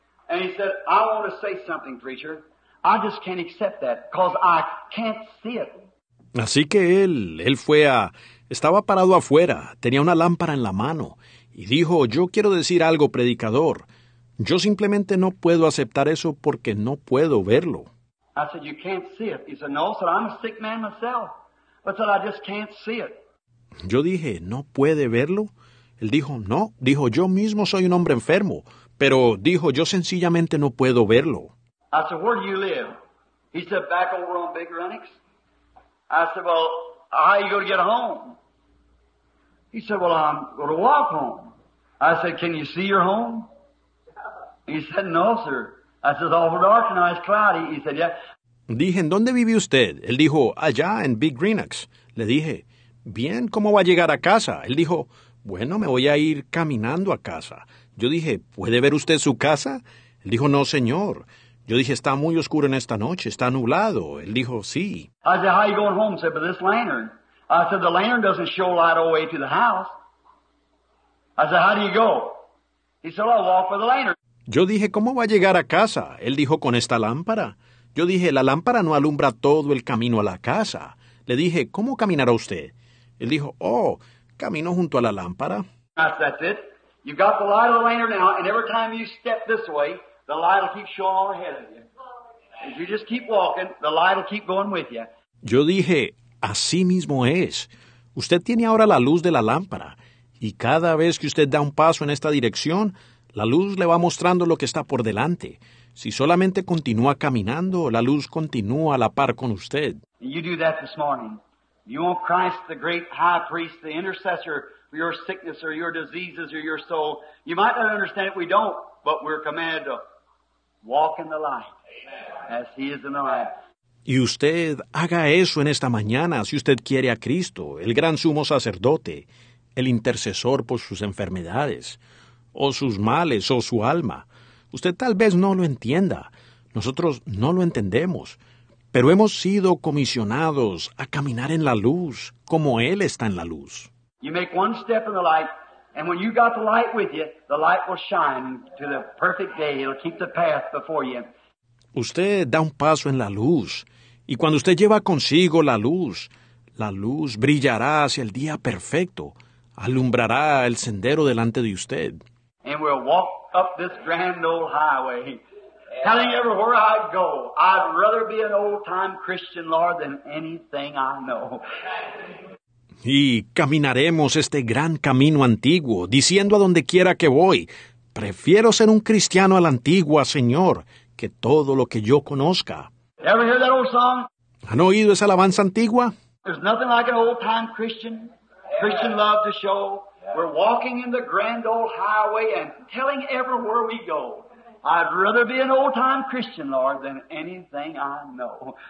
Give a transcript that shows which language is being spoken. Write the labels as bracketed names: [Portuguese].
[English] And he said, I want to say something, preacher. I just can't accept that, because I can't see it. [Spanish] Así que él fue a... Estaba parado afuera, tenía una lámpara en la mano, y dijo, yo quiero decir algo, predicador. Yo simplemente no puedo aceptar eso porque no puedo verlo. [English] I said, you can't see it. He said, no, sir, I'm a sick man myself. I said, I just can't see it. [Spanish] Yo dije, ¿no puede verlo? Él dijo, no. Dijo, yo mismo soy un hombre enfermo. Pero dijo, yo sencillamente no puedo verlo. [English] I said, where do you live? He said, back over on Big Runnix. I said, well, how are you going to get home? He said, well, I'm going to walk home. I said, can you see your home? He said, no, sir. I said, all dark and it's cloudy. He said, yeah. [Spanish] Dije, ¿en dónde vive usted? Él dijo, allá en Big Greenox. Le dije, bien, ¿cómo va a llegar a casa? Él dijo, bueno, me voy a ir caminando a casa. Yo dije, ¿puede ver usted su casa? Él dijo, no, señor. Yo dije, está muy oscuro en esta noche, está nublado. Él dijo, sí. [English] I said, how are you going home? He said, but this lantern. I said, the lantern doesn't show light all the way to the house. I said, how do you go? He said, I'll walk with the lantern. [Spanish] Yo dije, ¿cómo va a llegar a casa? Él dijo, ¿con esta lámpara? Yo dije, la lámpara no alumbra todo el camino a la casa. Le dije, ¿cómo caminará usted? Él dijo, oh, camino junto a la lámpara. [English] That's it. You've got the light of the lantern now, and every time you step this way, the light will keep showing all ahead of you. If you just keep walking, the light will keep going with you. [Spanish] Yo dije, así mismo es. Usted tiene ahora la luz de la lámpara, y cada vez que usted da un paso en esta dirección... La luz le va mostrando lo que está por delante. Si solamente continúa caminando, la luz continúa a la par con usted. [English] You do that this morning. You want Christ, the great high priest, the intercessor for your sickness or your diseases or your soul. You might not understand it, we don't, but we're commanded to walk in the light. Amen. As he is in the light. [Spanish] Y usted haga eso en esta mañana si usted quiere a Cristo, el gran sumo sacerdote, el intercesor por sus enfermedades. O sus males, o su alma. Usted tal vez no lo entienda. Nosotros no lo entendemos. Pero hemos sido comisionados a caminar en la luz, como Él está en la luz. [English] You make one step in the light, and when you got the light with you, the light will shine to the perfect day. It'll keep the path before you. [Spanish] Usted da un paso en la luz, y cuando usted lleva consigo la luz brillará hacia el día perfecto, alumbrará el sendero delante de usted. [English] And we'll walk up this grand old highway, telling everywhere I go, I'd rather be an old-time Christian, Lord, than anything I know. [Spanish] Y caminaremos este gran camino antiguo, diciendo a donde quiera que voy, prefiero ser un cristiano a la antigua, Señor, que todo lo que yo conozca. [English] Ever hear that old song? [Spanish] ¿Han oído esa alabanza antigua? [English] There's nothing like an old-time Christian love to show. We're walking in the grand old highway and telling everywhere we go, I'd rather be an old-time Christian, Lord, than anything I know.